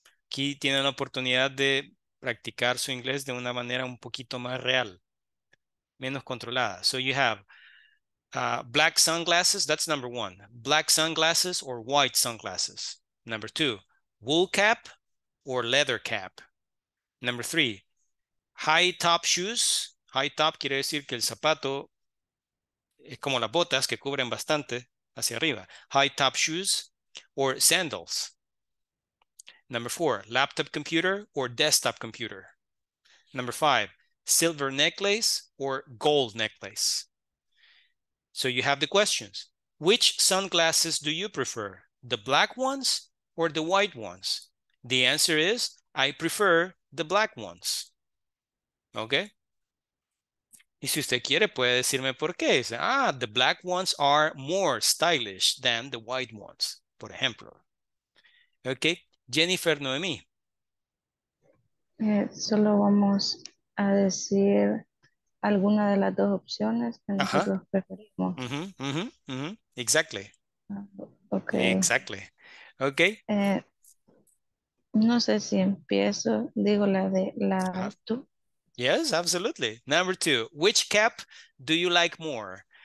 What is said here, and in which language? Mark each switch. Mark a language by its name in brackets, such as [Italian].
[Spanish] Aquí tienen la oportunidad de practicar su inglés de una manera un poquito más real. Menos controlada. [English] So you have black sunglasses, that's number one. Black sunglasses or white sunglasses. Number two, wool cap or leather cap. Number three, high top shoes. [Spanish] High top quiere decir que el zapato es como las botas que cubren bastante hacia arriba. [English] High top shoes or sandals. Number four, laptop computer or desktop computer. Number five, silver necklace or gold necklace. So you have the questions. Which sunglasses do you prefer? The black ones or the white ones? The answer is, I prefer the black ones. Okay? [Spanish] Y si usted quiere, puede decirme por qué. [English] Dice, ah, the black ones are more stylish than the white ones, [Spanish] por ejemplo. [English] Okay? Jennifer Noemi. [Spanish] Solo vamos a decir alguna de las dos opciones que nosotros preferimos. [English] Exactly. Okay. Exactly. Okay. [Spanish] No sé si empiezo, digo la de la tú. [English] Yes, absolutely. Number two, which cap do you like more?